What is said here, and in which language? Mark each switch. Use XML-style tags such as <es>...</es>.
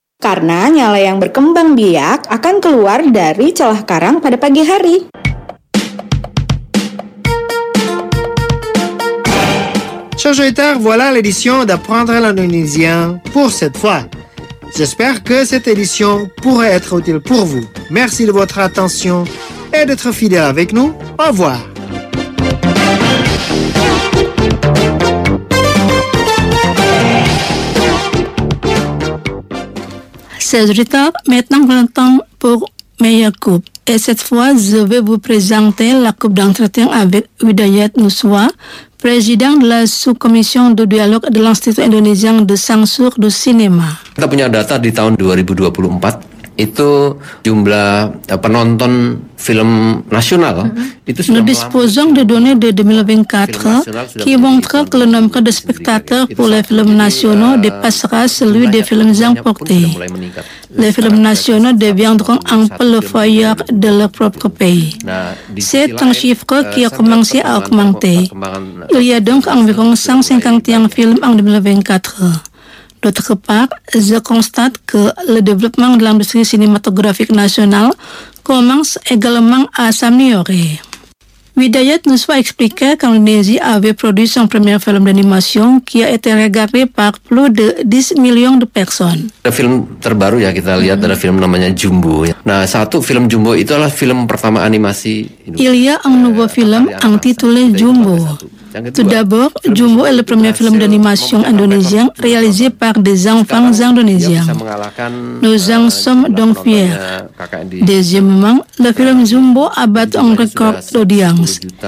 <id>Karena nyale yang berkembang biak akan keluar dari celah karang pada pagi hari.</id> <fr>Chers auditeurs, voilà l'édition d'apprendre l'indonésien pour cette fois. J'espère que cette édition pourra être utile pour vous. Merci de votre attention et d'être fidèle avec nous. Au revoir. Chers auditeurs, maintenant le temps pour Meilleure Coupe. Et cette fois, je vais vous présenter la coupe d'entretien avec Widayat Nuswa, président de la sous-commission de dialogue de l'Institut indonésien de censure du cinéma.</fr> <id>Kita punya data di tahun 2024 itu jumlah penonton film nasional itu</id> <fr>sudah disposant de données de 2024 qui montre que le nombre de spectateurs pour les films nationaux dépassera celui des films importés. Les films nationaux deviendront un peu le foyer de leur propre pays. C'est un chiffre qui a commencé à augmenter. Il y a donc environ 151 films en 2024. D'autre part, je constate que le développement de l'industrie cinématographique nationale commence également à s'améliorer. Widayat Nuswa expliquait qu'Indonésie avait produit son premier film d'animation qui a été regardé par plus de 10 millions de personnes.</fr> <id>Le film terbaru ya kita lihat adalah film namanya Jumbo. Nah, satu film Jumbo itu adalah film pertama animasi.</id> <fr>Il y a un nouveau film intitulé Jumbo. Tout d'abord, Jumbo est le premier film d'animation indonésien réalisé par des enfants indonésiens. Nous en sommes donc fiers. Deuxièmement, le film Jumbo a battu un record d'audience.</fr>